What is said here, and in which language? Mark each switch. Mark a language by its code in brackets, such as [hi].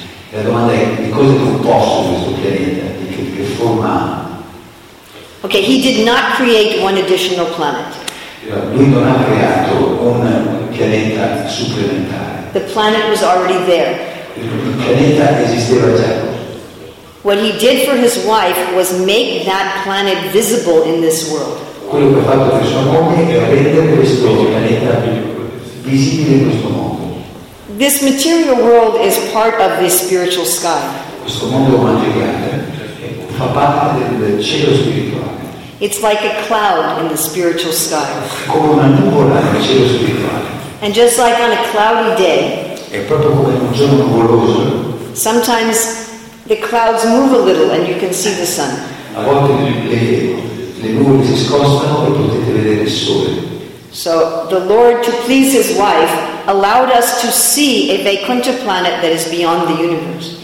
[it] La domanda è di cosa è composto questo pianeta, di che forma. [en] Okay, he did not create one additional planet. [it] Lui non ha creato un pianeta supplementare. [en] The planet was already there. [it] Il pianeta esisteva già. [en] What he did for his wife was make that planet visible in this world. [it] Quello che ha fatto per sua moglie è rendere questo pianeta visibile in questo mondo. [en] This material world is part of the spiritual sky. [it] Questo mondo materiale fa parte del cielo spirituale. [en] It's like a cloud in the spiritual sky. [it] Come una nuvola nel cielo spirituale. [en] And just like on a cloudy day, [it] è proprio come un giorno nuvoloso. [en] Sometimes the clouds move a little and you can see the sun. [it] A volte le nuvole si scostano e potete vedere il sole. [en] So the Lord, to please his wife, allowed us to see a Vaikuntha planet that is beyond the universe.